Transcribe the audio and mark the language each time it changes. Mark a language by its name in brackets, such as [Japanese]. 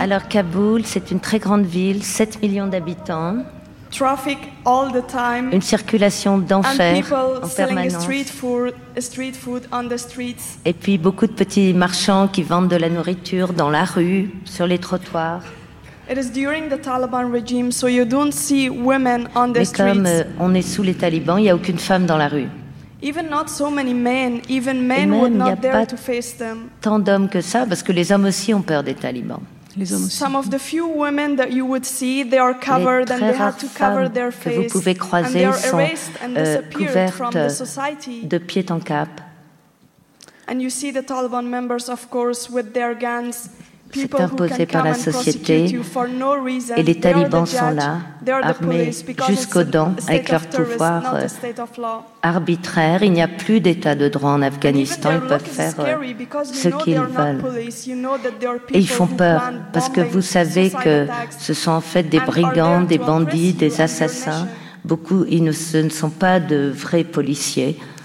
[French] Alors Kaboul, c'est une très grande ville, 7 millions d'habitants. [English] Traffic all the time. [French] Une circulation d'enfer en permanence. [English] And people selling street food on the streets. [French] Et puis beaucoup de petits marchands qui vendent de la nourriture dans la rue, sur les trottoirs. [English] It is during the Taliban regime, so you don't see women on the streets. [French] Mais comme on est sous les talibans, il y a aucune femme dans la rue. [English] Even not so many men, even men would not dare to face them. [French] Tant d'hommes que ça, parce que les hommes aussi ont peur des talibans. Les hommes aussi. [English] Some of the few women that you would see, they are covered and they have to cover their face. [French] Que vous pouvez croiser sont couvertes de pied en cap. [English] And you see the Taliban members, of course, with their guns. [French] C'est imposé par la société et les talibans sont là, armés jusqu'aux dents avec leur pouvoir arbitraire. Il n'y a plus d'état de droit en Afghanistan, ils peuvent faire ce qu'ils veulent. Et ils font peur parce que vous savez que ce sont en fait des brigands, des bandits, des assassins. Beaucoup, ce ne sont pas de vrais policiers.